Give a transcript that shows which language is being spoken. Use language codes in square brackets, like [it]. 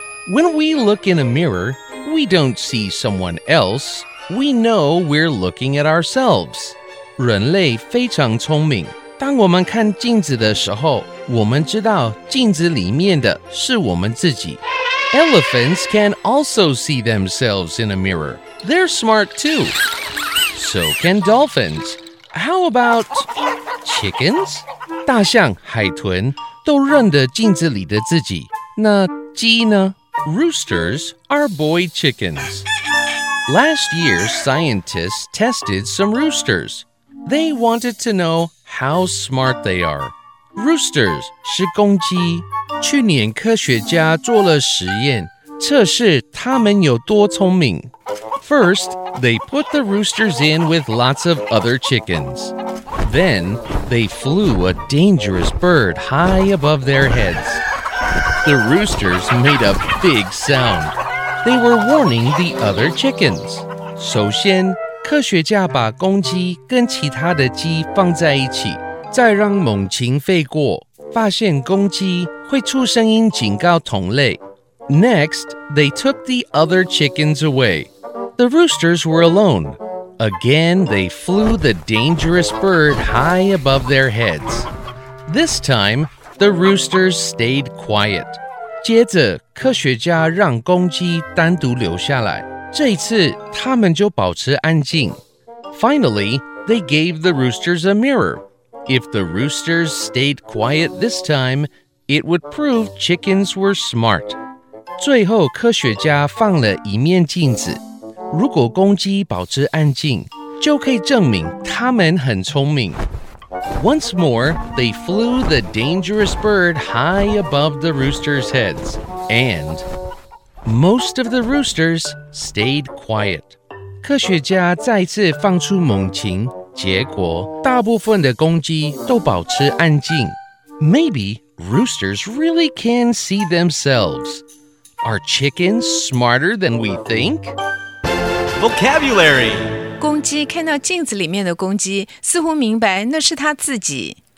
[en] When we look in a mirror, we don't see someone else. We know we're looking at ourselves. [zh] 人类非常聪明。当我们看镜子的时候，我们知道镜子里面的是我们自己。 [en] Elephants can also see themselves in a mirror. They're smart too. So can dolphins. How about chickens? [zh] 大象、海豚都认得镜子里的自己。那鸡呢？ [en] Roosters are boy chickens. Last year, scientists tested some roosters. They wanted to know how smart they are. [zh] Roosters 是公鸡。去年科学家做了实验，测试他们有多聪明。 [en] First, they put the roosters in with lots of other chickens. Then, they flew a dangerous bird high above their heads. The roosters made a big sound. They were warning the other chickens. [zh] 首先，科学家把公鸡跟其他的鸡放在一起，再让猛禽飞过。发现公鸡会出声音警告同类。 [en] Next, they took the other chickens away. The roosters were alone. Again, they flew the dangerous bird high above their heads. This time, the roosters stayed quiet. [zh] 接着，科学家让公鸡单独留下来。这一次，他们就保持安静。 [en] Finally, they gave the roosters a mirror. If the roosters stayed quiet this time, it would prove chickens were smart. [zh] 最后科学家放了一面镜子。如果公鸡保持安静，就可以证明它们很聪明。 [en] Once more, they flew the dangerous bird high above the roosters' heads, and most of the roosters stayed quiet. [zh] 科学家再次放出猛禽。结果，大部分的公鸡都保持安静。 [en] Maybe roosters really can see themselves. Are chickens smarter than we think? Vocabulary. [zh] 公鸡看到镜子里面的公鸡，似乎明白那是它自己。